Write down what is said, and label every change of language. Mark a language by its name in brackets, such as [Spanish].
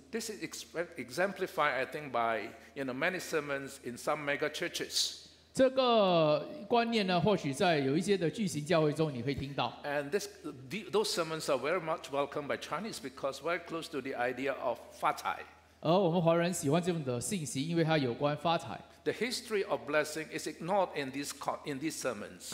[English] This is exemplified, I think, by you know, many sermons in some mega churches. [Chinese] 这个观念呢，或许在有一些的巨型教会中你会听到。 [English] And those sermons are very much welcomed by Chinese because very close to the idea of 发财。 [Chinese] 而我们华人喜欢这种的信息，因为它有关发财。 [English] The history of blessing is ignored in these sermons.